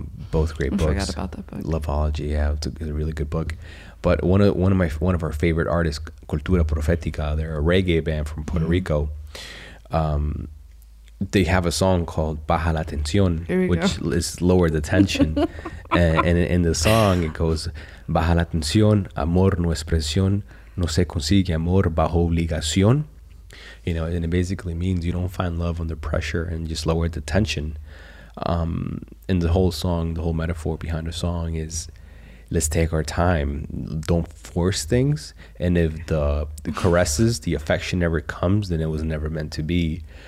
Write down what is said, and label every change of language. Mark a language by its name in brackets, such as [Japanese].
[English] Both great books. I forgot about that book. Loveology. Yeah. It's a really good book. But one of our favorite artists, Cultura Profética, they're a reggae band from Puerto mm-hmm. Rico. They have a song called Baja la Tensión, which is lower the tension. And in the song, it goes, [Spanish] Baja la Tensión, amor no es presión, no se consigue amor bajo obligación. [English] You know, and it basically means you don't find love under pressure and just lower the tension. And the whole song, the whole metaphor behind the song is, let's take our time. Don't force things. And if the caresses, the affection never comes, then it was never meant to be.